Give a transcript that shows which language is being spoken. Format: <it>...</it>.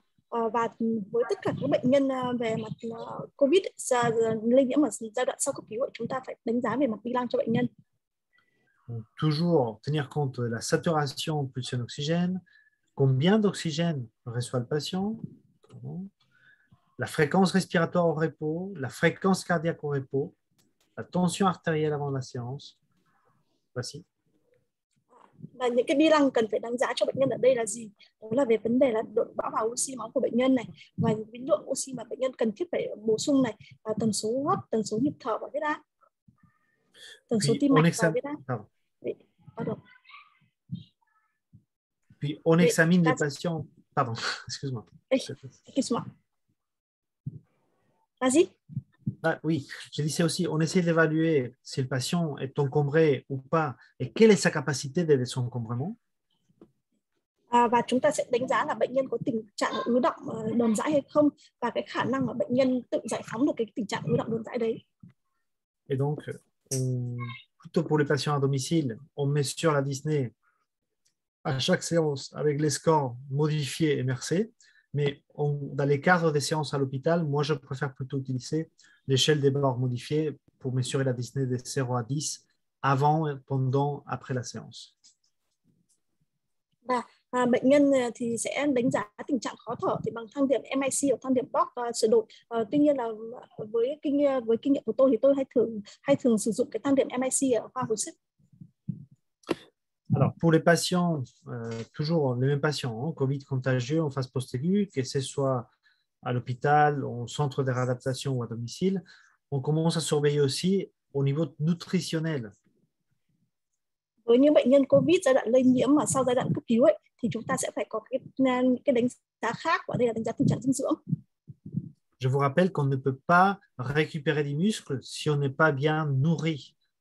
<vi>Và với tất cả các bệnh nhân về mặt COVID lây nhiễm ở giai đoạn sau cấp cứu, chúng ta phải đánh giá về mặt bilang cho bệnh nhân.</vi> <fr>Donc, toujours tenir compte de la saturation pulsion oxygène, combien d'oxygène reçoit le patient, la fréquence respiratoire au repos, la fréquence cardiaque au repos, la tension artérielle avant la séance. Voici.</fr> <vi>Là những cái bilang cần phải đánh giá cho bệnh nhân ở đây là gì? Đó là về vấn đề là độ bão hòa oxy máu của bệnh nhân này, và những lượng oxy mà bệnh nhân cần thiết phải bổ sung này, và tần số hô hấp, tần số nhịp thở và huyết áp, tần số tim mạch và huyết áp.</vi> <fr>Puis on examine les patients. Pardon, excuse-moi. Vas-y. Ah, oui, je disais aussi, on essaie d'évaluer si le patient est encombré ou pas et quelle est sa capacité de désencombrement.</fr> <vi>Và chúng ta sẽ đánh giá là bệnh nhân có tình trạng ứ động đờm dãi hay không và cái khả năng mà bệnh nhân tự giải phóng được cái tình trạng ứ động đờm dãi đấy.</vi> <fr>Et donc, plutôt pour les patients à domicile, on mesure la dyspnée à chaque séance avec les scores modifiés et MRC. Mais dans les cadres des séances à l'hôpital, moi, je préfère plutôt utiliser l'échelle des barres modifiées pour mesurer la dyspnée de 0 à 10 avant, pendant, après la séance.</fr> <vi>Bệnh nhân thì sẽ đánh giá tình trạng khó thở thì bằng thang điểm MIC hoặc thang điểm Bock sửa đổi. Tuy nhiên là với kinh nghiệm của tôi thì tôi hay thường sử dụng cái thang điểm MIC ở khoa hồi sức.</vi> <fr>Alors, pour les patients, toujours les mêmes patients, hein, COVID contagieux en phase post-aiguë, que ce soit à l'hôpital, en centre de réadaptation ou à domicile, on commence à surveiller aussi au niveau nutritionnel.</fr> <vi>Với những bệnh nhân COVID giai đoạn lây nhiễm mà sau giai đoạn cấp cứu ấy, thì chúng ta sẽ phải có cái đánh giá khác, và đây là đánh giá tình trạng dinh dưỡng.</vi> <fr>Je vous rappelle qu'on ne peut pas récupérer des muscles si on n'est pas bien nourri.</fr>